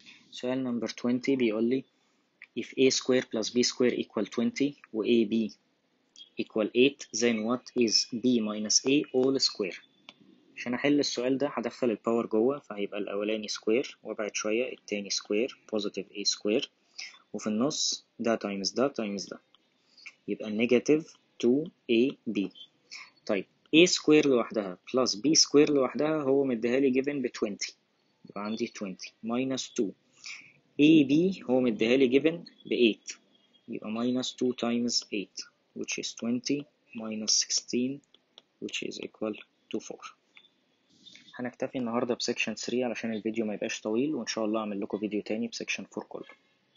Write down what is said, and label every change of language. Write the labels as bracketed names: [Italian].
[Arabic] سؤال [English] number 20 [Arabic] بيقول لي [English] if A square plus B square equal 20 [Arabic] و [English] A B equal 8 then what is B minus A all square. [Arabic] عشان احل السؤال ده هدخل ال [English] power [Arabic] جوه، فهيبقى الاولاني square وابعد شوية التاني square [English] positive A square، [Arabic] وفي النص ده [English] times [Arabic] ده times ده، يبقى [English] negative 2ab. [Arabic] طيب [English] a square [Arabic] لوحدها [English] plus b square لوحدها [Arabic] هو مدهالي [English] given ب 20، [Arabic] يبقى عندي [English] 20 minus 2، ab هو مدهالي given ب 8، يبقى minus 2 times 8 which is 20 minus 16 which is equal to 4. [Arabic] هنكتفي النهاردة بسكشن 3 علشان الفيديو ما يبقاش طويل، وان شاء الله اعمل لكم فيديو تاني بسكشن 4 كله.